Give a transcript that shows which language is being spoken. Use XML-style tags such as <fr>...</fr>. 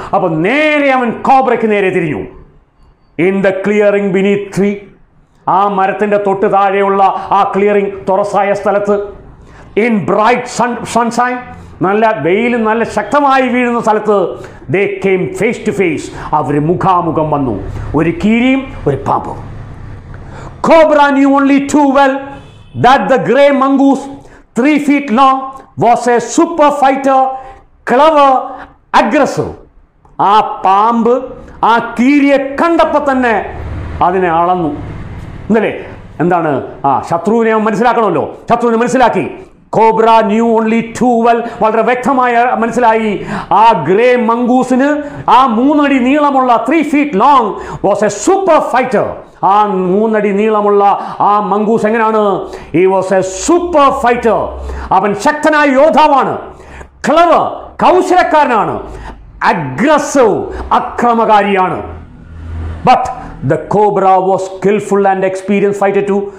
<ml>അപ്പൊ നേരെ അവൻ കോബ്രയ്ക്ക് നേരെ തിരിഞ്ഞു.</ml> <en>in the clearing beneath tree,</en> <ml>ആ മരത്തിന്റെ തൊട്ട് താഴെയുള്ള ആ ക്ലിയറിംഗ് തുറസായ സ്ഥലത്ത്,</ml> <en>in bright sunshine,</en> <ml>നല്ല വെയിൽ നല്ല ശക്തമായി വീഴുന്ന സ്ഥലത്ത്,</ml> <en>they came face to face,</en> <ml>അവർ മുഖാമുഖം വന്നു. ഒരു കീരിയും ഒരു പാമ്പും.</ml> <en>Cobra knew only too well that the grey mongoose, 3 feet long, was a super fighter, clever, aggressive.</en> <ml>ആ പാമ്പ് ആ കീരിയെ കണ്ടപ്പോൾ തന്നെ അതിനെ അളന്നു എന്നല്ലേ. എന്താണ് ആ ശത്രുവിനെ മനസ്സിലാക്കണമല്ലോ, ശത്രുവിനെ മനസ്സിലാക്കി.</ml> <en>Cobra knew only too well,</en> <ml>വളരെ വ്യക്തമായ മനസ്സിലായി,</ml> <en>ആ ഗ്രേ മംഗൂസിന് ആ 3 feet നീളമുള്ള, 3 feet long, was a super fighter.</en> <ml>ആ 3 feet നീളമുള്ള ആ മംഗൂസ് എങ്ങനെയാണ്,</ml> <en>he was a super fighter,</en> <ml>അവൻ ശക്തനായ യോദ്ധാവാണ്, clever കൗശലക്കാരനാണ്, aggressive അക്രമകാരിയാണ്.</ml> <en>But the cobra was skilful and experience fighter too.</en>